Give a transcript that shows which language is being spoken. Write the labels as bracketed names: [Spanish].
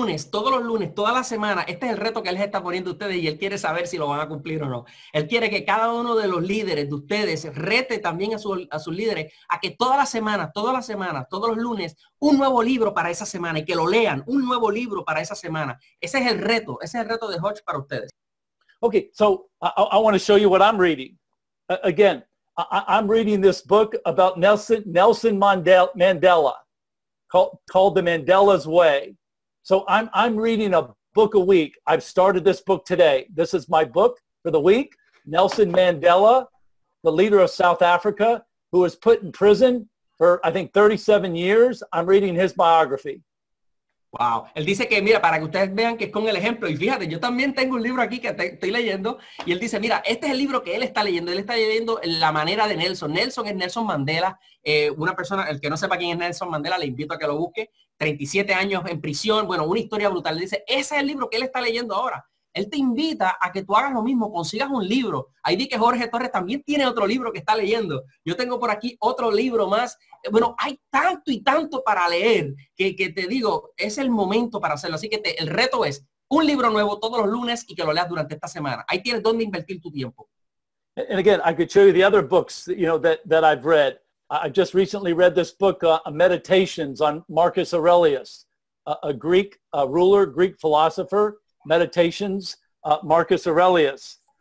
[Spanish] Todos los lunes, toda la semana, este es el reto que él está poniendo a ustedes y él quiere saber si lo van a cumplir o no. Él quiere que cada uno de los líderes de ustedes rete también a sus líderes a que todas las semanas, todos los lunes, un nuevo libro para esa semana y que lo lean, un nuevo libro para esa semana. Ese es el reto de Hutch para ustedes. [English] Okay, so I want to show you what I'm reading. Again, I'm reading this book about Nelson Mandela, called The Mandela's Way. So I'm reading a book a week. I've started this book today. This is my book for the week, Nelson Mandela, the leader of South Africa, who was put in prison for, I think, 37 years. I'm reading his biography. Wow. [Spanish] Él dice que, mira, para que ustedes vean que es con el ejemplo. Y fíjate, yo también tengo un libro aquí que estoy leyendo. Y él dice, mira, este es el libro que él está leyendo. Él está leyendo La Manera de Nelson. Nelson es Nelson Mandela. Una persona, el que no sepa quién es Nelson Mandela, le invito a que lo busque. 37 años en prisión. Bueno, una historia brutal. Él dice, ese es el libro que él está leyendo ahora. Él te invita a que tú hagas lo mismo, consigas un libro. Ahí di que Jorge Torres también tiene otro libro que está leyendo. Yo tengo por aquí otro libro más. Bueno, hay tanto y tanto para leer que te digo, es el momento para hacerlo. Así que el reto es un libro nuevo todos los lunes y que lo leas durante esta semana. Ahí tienes dónde invertir tu tiempo. [English] And again, I could show you the other books, you know, that I've read. I just recently read this book, Meditations on Marcus Aurelius, a Greek ruler, Greek philosopher, Meditations, Marcus Aurelius.